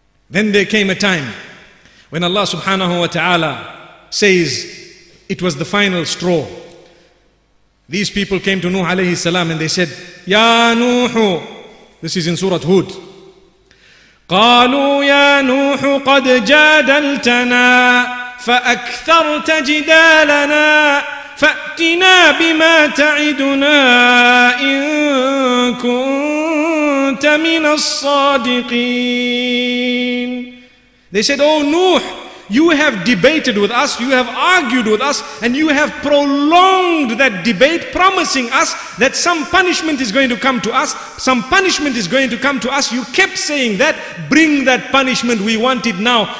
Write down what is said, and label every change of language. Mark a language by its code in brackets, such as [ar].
[en] Then there came a time when Allah subhanahu wa ta'ala says it was the final straw. These people came to Nuh alayhi salam and they said, "Ya Nuh," this is in Surah Hud. [ar] "Qalu ya Nuh qad jadaltana فَأَكْثَرْتَ جِدَالَنَا فَأْتِنَا بِمَا تَعِدُنَا إِن كُنْتَ مِنَ الصَّادِقِينَ." [en] They said, "Oh Nuh, you have debated with us, you have argued with us, and you have prolonged that debate, promising us that some punishment is going to come to us, some punishment is going to come to us. You kept saying that, bring that punishment, we want it now.